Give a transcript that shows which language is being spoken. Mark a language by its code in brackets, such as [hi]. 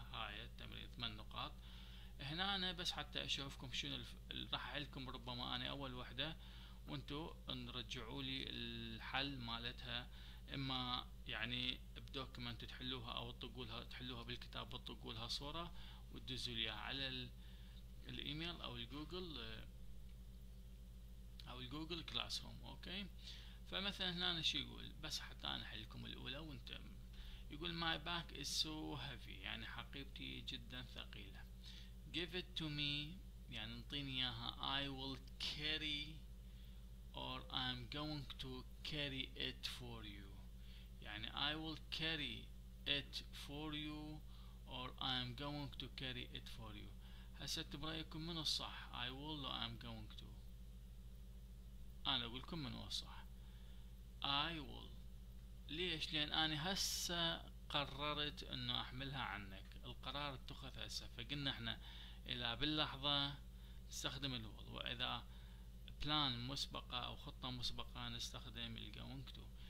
[ar] هاي التمرين 8 نقاط. هنا أنا بس حتى اشوفكم شنو راح احلكم ربما انا اول وحدة، وانتو نرجعوا لي الحل مالتها اما يعني بدوكمنت تحلوها او تقولها تحلوها بالكتاب وتقولها صورة وتدزوا ليها على الايميل او الجوجل او الجوجل كلاس روم. اوكي فمثلا هنا أنا شي يقول بس حتى انا احلكم الاولى، وانت يقول [en] my back is so heavy، [ar] يعني حقيبتي جدا ثقيلة. [en] give it to me [ar] يعني انطيني اياها، [en] I will carry or I'm going to carry it for you، يعني I will carry it for you or I'm going to carry it for you. [ar] هسه برأيكم من الصح [en] I will or I'm going to؟ [ar] انا اقول لكم من هو الصح [en] I will. [ar] ليش؟ لان انا هسه قررت انه احملها عنك، القرار اتخذ هسه، فقلنا احنا الى باللحظة نستخدم الول، واذا بلان مسبقة او خطة مسبقة نستخدم الجوينج تو.